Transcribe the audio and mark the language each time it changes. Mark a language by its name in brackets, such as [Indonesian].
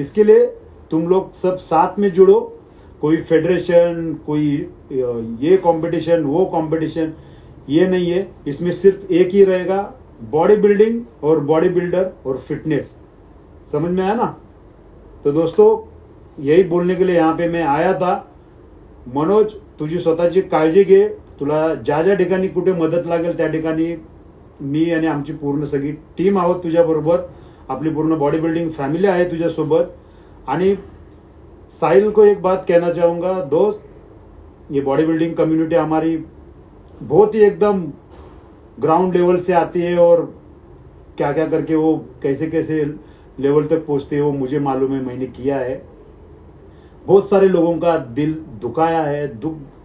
[Hindi] इसके लिए तुम लोग सब साथ में जुड़ो, कोई फेडरेशन, कोई ये कॉम्पिटिशन वो कॉम्पिटिशन ये नहीं है। इसमें सिर्फ एक ही रहेगा, बॉडी बिल्डिंग और बॉडी बिल्डर और फिटनेस। समझ में आया ना। तो दोस्तों यही बोलने के लिए यहाँ पे मैं आया था। [Marathi] मनोज तुझी स्वतःची काळजी घे, तुला ज्या ज्या ठिकाणी कुठे मदत लागेल त्या ठिकाणी मी आणि आमची पूर्ण सगळी टीम आहोत तुझ्या बरोबर, आपली पूर्ण बॉडी बिल्डिंग फॅमिली आहे तुझ्या सोबत। [Hindi] आणि साहिल को एक बात कहना चाहूंगा, दोस्त ये बॉडी बिल्डिंग कम्युनिटी हमारी बहुत ही एकदम ग्राउंड लेवल से आती है, और क्या क्या करके वो कैसे कैसे लेवल तक पहुंचते हैं वो मुझे मालूम है, मैंने किया है। बहुत सारे लोगों का दिल दुखाया है, दुख